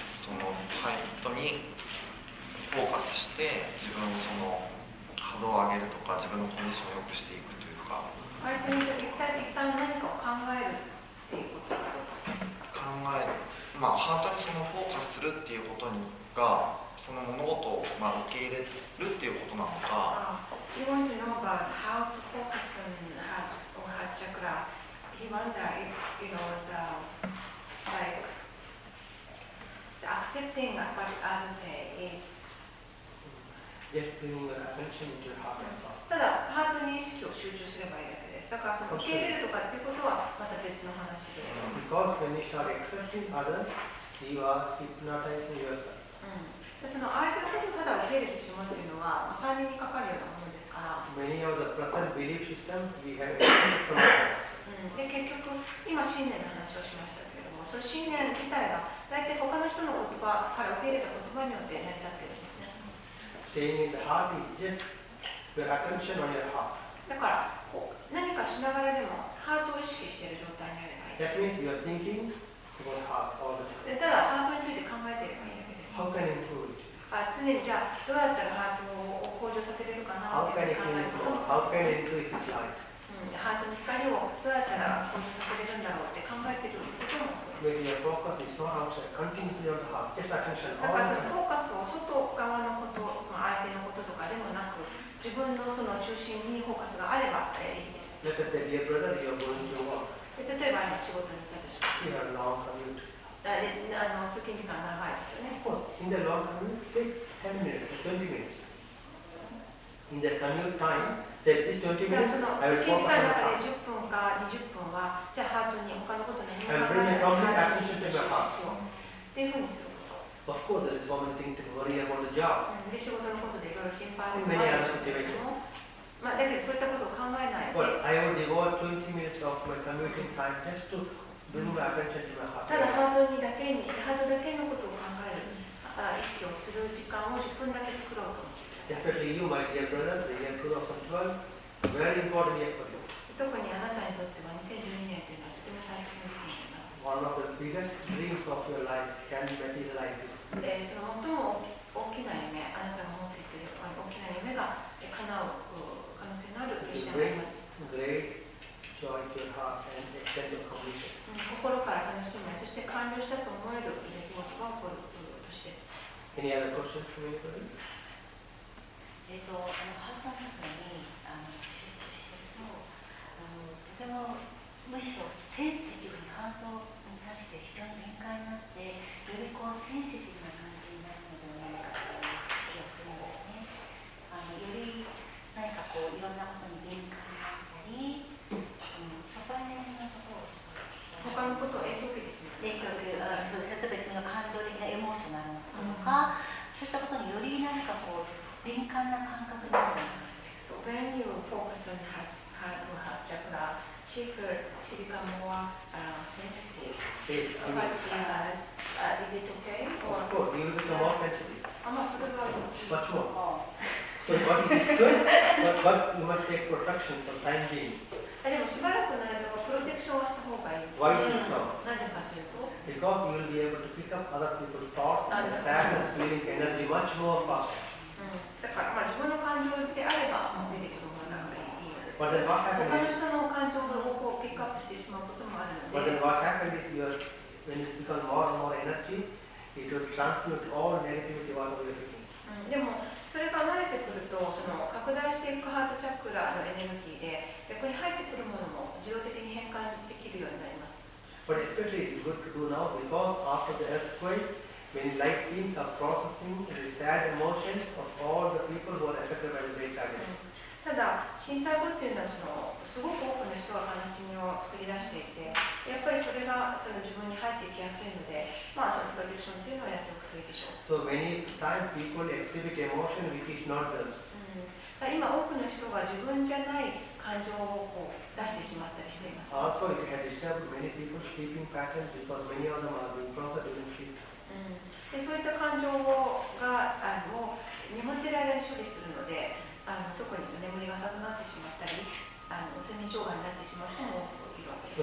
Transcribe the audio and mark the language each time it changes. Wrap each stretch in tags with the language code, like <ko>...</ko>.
<ja>その態度にフォーカスして、自分をその波動を上げるとか、自分のコンディションを良くしていくというか、相手にとって一体何かを考えるっていうこと、考える、まあ、ハートにそのフォーカスするっていうことにが、その物事を、まあ、受け入れるっていうことなのか。</ja> <en>He wants to know about how to focus on heart or heart chakra. He wonder if, you know, the, like, the accepting what others say is... Yes, feeling the attention to heart and soul.</en> <ja>ただ、ハートに意識を集中すればいいだけです。だから、その受け入れるとかっていうことはまた別の話で。</ja> <en>Because when you start accepting others, you are hypnotizing yourself.</en> <ja>うん、その相手のことをただ受け入れてしまうというのは、まあ、催眠にかかるようなものですから結局今信念の話をしましたけれども、その信念自体が大体他の人の言葉から受け入れた言葉によって成り立っているんですね。</ja> <en>Saying is the heart is just the attention on your heart.</en> <ja>だからこう何かしながらでもハートを意識している状態にあればいい。</ja> <en>That means you are thinking about heart all the time.</en> <ja>ただハートについて考えていればいい。</ja> <en>How can improve it?</en> <ja>常にじゃあどうやったらハートを向上させれるかなっていう考え方もそうですし、うん、ハートの光をどうやったら向上させれるんだろうって考えていることもそうです。</ja> <en>Your focus is not outside, continuously on the heart, just attention.</en> <ja>だからフォーカスを外側のこと、まあ、相手のこととかでもなく、自分のその中心にフォーカスがあればいいです。</ja> <en>Let us say, dear brother, you are going to work.</en> <ja>例えば今仕事に行ったとします。</ja> <en>You have long commute.</en> <ja>通勤時間長いですよね。</ja> <en>In the long commute, take 10 minutes, 20 minutes. In the commute time, take this 20 minutes, I will focus on the heart.</en> <ja>通勤時間の中で10分か20分は、じゃあハートに他のこと何も考えないように意識しようっていうふうにすること。</ja> <en>Of course, there is one thing to worry about the job.</en> <ja>で、仕事のことでいろいろ心配もあるでしょうけども。まあ、だけどそういったことを考えないで。</ja> <en>I will devote 20 minutes of my commuting time just to...</en> <ja>ただハートにだけに、ハートだけのことを考える、意識をする時間を10分だけ作ろうと思っています特にあなたにとっては2012年というのはとても大切な時期になります。</ja> <en>One of the biggest dreams of your life can be materialized.</en> <ja>その最も大きな夢、あなたが持っていて、大きな夢が実現することができ心から楽しみ、そして完了したと思える出来事が起こる年です。</ja> <en>Any other questions for me, please?</en> <ja>ハートの中に集中していると、とてもむしろセンシティブにハートに対して非常に敏感になって、よりこうセンシティブな感じになるのではないかという気がするんですね。より何かこういろんなことに敏感になったり、そこら辺のところを他のことを影響ですね。影響受ける、そうです。例えば自分の感情的なエモーショナルなことか、うん、そういったことにより何かこう敏感な感覚になる。</ja> <en>So when you focus on heart or heart chakra, she become more sensitive. But she has, is it okay? Of course, you become more sensitive. Much more. Much more. So what is good, but you must take protection for time being.</en> <ja>でもしばらくの間はプロテクションをした方がいい。</ja> <en>Why is it so?</en> <ja>なぜかというと、</ja> <en>Because you will be able to pick up other people's thoughts and sadness, feeling, energy much more fast.</en> <ja>だから、まあ、自分の感情であれば、もう出てくるものなんかいいわけです。</ja> <en>But then what happens?</en> <ja>他の人の感情の方向をピックアップしてしまうこともあるので。</ja> <en>But then what happens is you're, when you pick up more and more energy, it will transmute all negativity out of your being.</en> <ja>でも、それが慣れてくると、その拡大していくハートチャクラのエネルギーで、逆に入ってくるものも自動的に変換できるようになります。</ja> <en>But especially it's good to do now because after the earthquake, many light beings are processing the sad emotions of all the people who are affected by the great tragedy.</en> <ja>ただ震災後っていうのはそのすごく多くの人が悲しみを作り出していて、やっぱりそれがその自分に入っていきやすいので、まあそのプロテクションっていうのをやっておくといいでしょう。</ja> <en>So many times people exhibit emotion which is not theirs.</en> <ja>今多くの人が自分じゃない感情をこう出してしまったりしています。</ja> <en>Also it had disturbed many people's sleeping patterns because many of them are being processed in sleep、</en> <ja>うん、でそういった感情をが眠っている間に処理するので、特にその眠りが浅くなってしまったり、睡眠障害になってしまう人もいるわけです。</ja>